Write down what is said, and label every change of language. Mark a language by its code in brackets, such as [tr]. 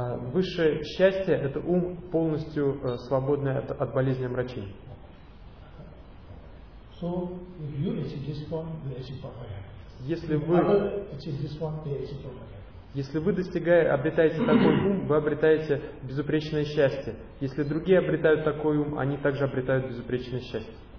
[ru] Высшее счастье – это ум, полностью свободный от болезни и омрачений. [en] So, if you achieve this one, you achieve perfect happiness. [ru] Если вы достигаете, обретаете такой ум, вы обретаете безупречное счастье. Если другие обретают такой ум, они также обретают безупречное счастье.